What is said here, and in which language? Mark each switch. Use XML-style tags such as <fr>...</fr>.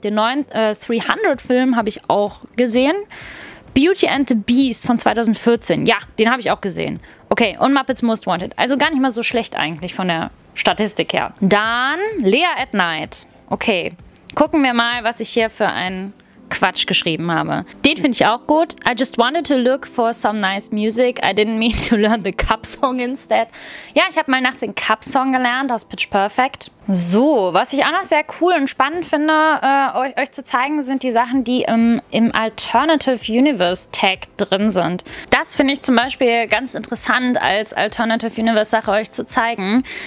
<de>Den neuen 300-Film habe ich auch gesehen. Beauty and the Beast von 2014. Ja, den habe ich auch gesehen. Okay, und Muppets Most Wanted. Also gar nicht mal so schlecht eigentlich von der Statistik her. Dann Lea at Night. Okay, gucken wir mal, was ich hier für einen Quatsch geschrieben habe. Den finde ich auch gut.</de> <en>I just wanted to look for some nice music. I didn't mean to learn the Cup Song instead.</en> <de>Ja, ich habe mal nachts den Cup Song gelernt aus Pitch Perfect. So, was ich auch noch sehr cool und spannend finde, euch zu zeigen, sind die Sachen, die im Alternative Universe Tag drin sind. Das finde ich zum Beispiel ganz interessant, als Alternative Universe Sache euch zu zeigen.</de>